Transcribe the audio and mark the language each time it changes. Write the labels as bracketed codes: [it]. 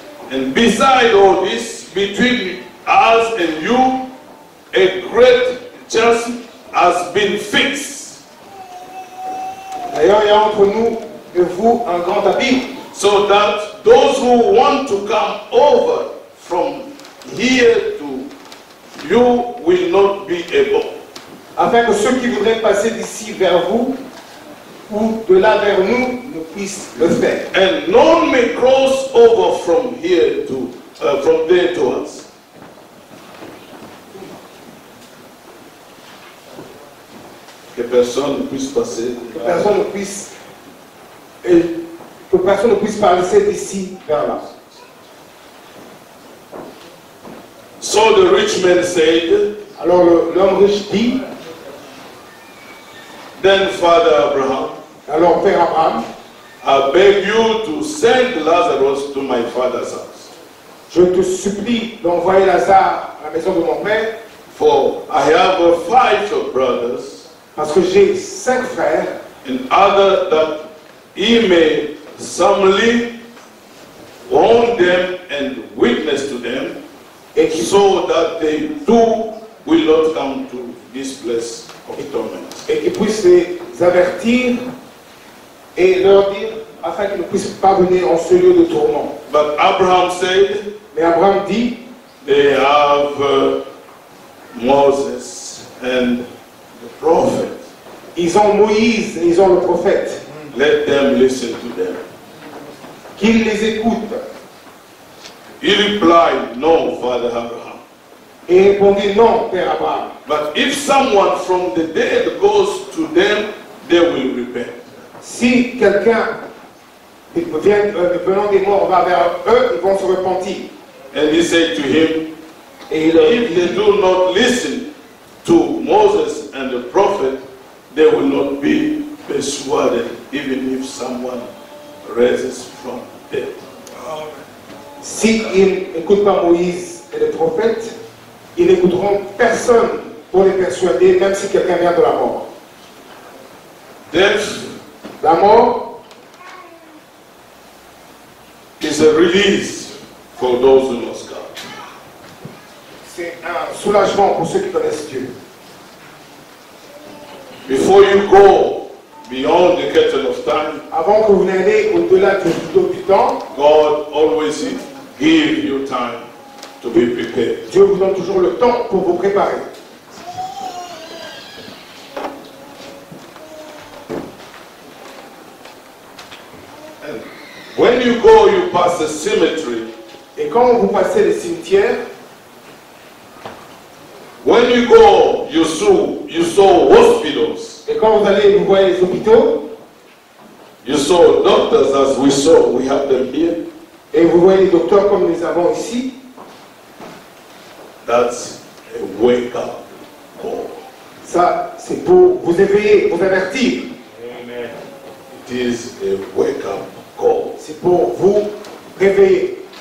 [en] And beside all this, between us and you, a great chasm has been fixed. [fr] D'ailleurs, il y a entre nous et vous un grand abîme. [en] So that those who want to come over from here to you will not be able. [fr] Afin que ceux qui voudraient passer d'ici vers vous ou de là vers nous ne puissent le faire. [en] And none may cross over from here to from there to us. [fr] Que personne ne puisse passer. Que personne ne puisse et que personne ne puisse passer d'ici vers là. [en] So the rich man said. [fr] Alors l'homme riche dit. [en] Then Father Abraham, [fr] alors Père Abraham, [en] I beg you to send Lazarus to my father's house. [fr] Je te supplie d'envoyer Lazare à la maison de mon père. [en] For I have five brothers. [fr] Parce que j'ai cinq frères. [en] In order that he may summarily warn them and witness to them, et so that they too will not come to this place. [fr] Et qu'ils puissent les avertir et leur dire afin qu'ils ne puissent pas venir en ce lieu de tourment. [en] But Abraham said, [fr] mais Abraham dit, [en] they have Moses and the prophet. [fr] Ils ont Moïse et ils ont le prophète. [en] Let them listen to them. [fr] Qu'ils les écoutent. [en] He replied, no, Father Abraham. [fr] Et répondit non, Père Abraham. [en] But if someone from the dead goes to them, they will repent. [fr] Si quelqu'un vient venant des morts va vers eux, ils vont se repentir. [en] And he said to him, if they do not listen to Moses and the prophet, they will not be persuaded, even if someone raises from the dead. [fr] Si ils n'écoutent pas Moïse et le prophète, ils n'écouteront personne pour les persuader, même si quelqu'un vient de la mort. [en] Death, [fr] la mort, [en] a release for those who lost God. [fr] C'est un soulagement pour ceux qui connaissent Dieu. [en] Before you go beyond the curtain of time, [fr] avant que vous n'allez au-delà du temps, [en] God always gives you time to be prepared. [fr] Dieu vous donne toujours le temps pour vous préparer. [en] When you go, you pass the cemetery. [fr] Et quand vous passez le cimetière, [en] when you go, you saw hospitals. [fr] Et quand vous allez, vous voyez les hôpitaux. [en] You saw doctors as we saw, we have them here. [fr] Et vous voyez les docteurs comme nous avons ici. [en] That's a wake up call. [fr] Ça, c'est pour vous éveiller, vous avertir. [en] Amen. It is a wake up call. [fr] C'est pour vous réveiller.